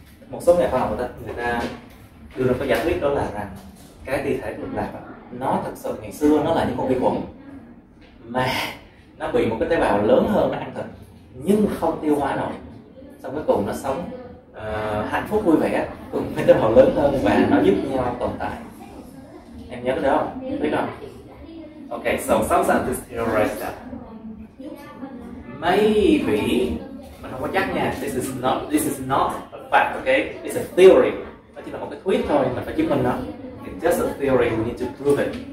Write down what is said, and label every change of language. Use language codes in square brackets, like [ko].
[vi] Một số nhà khoa học người ta đưa ra cái giả thuyết đó là rằng cái tỷ thể lục lạc nó thực sự ngày xưa nó là những con vi khuẩn mà nó bị một cái tế bào lớn hơn nó ăn thịt nhưng không tiêu hóa nổi, xong cuối cùng nó sống hạnh phúc vui vẻ cùng với tế bào lớn hơn và nó giúp nhau tồn tại. Em nhớ cái đó không? Biết không? [en] Okay, so some scientists theorize that maybe, [vi] mà không có chắc nha, [en] this is not a fact, okay, it's a theory. [vi] Nó chỉ là một cái thuyết thôi, mình phải chứng minh nó. [en] It's just a theory, we need to prove it.